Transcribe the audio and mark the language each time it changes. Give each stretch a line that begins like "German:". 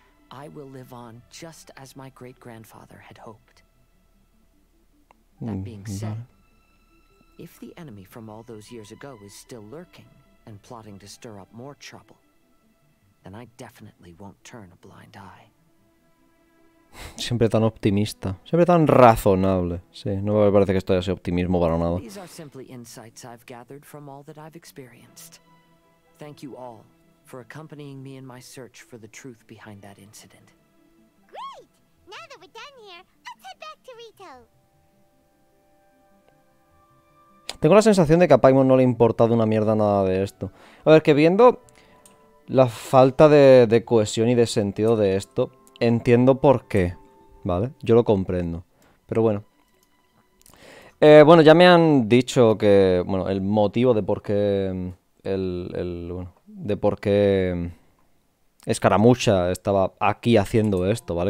English: I will live on just as my great-grandfather had hoped. That being said, if the enemy from all those years ago is still lurking and plotting to stir up more trouble, then I definitely won't turn a blind eye.
Spanish: Siempre tan optimista, siempre tan razonable. Sí, no me parece que esto haya sido optimismo para nada.
English: These are simply insights I've gathered from all that I've experienced. Thank you all for accompanying me in my search for the truth behind that incident. Great! Now that we're done here, let's head back to Rito.
Spanish: Tengo la sensación de que a Paimon no le ha importado una mierda nada de esto. A ver, que viendo la falta de cohesión y de sentido de esto, entiendo por qué, ¿vale? Yo lo comprendo. Pero bueno. Bueno, ya me han dicho que, bueno, el motivo de por qué el bueno, de por qué Escaramucha estaba aquí haciendo esto, ¿vale?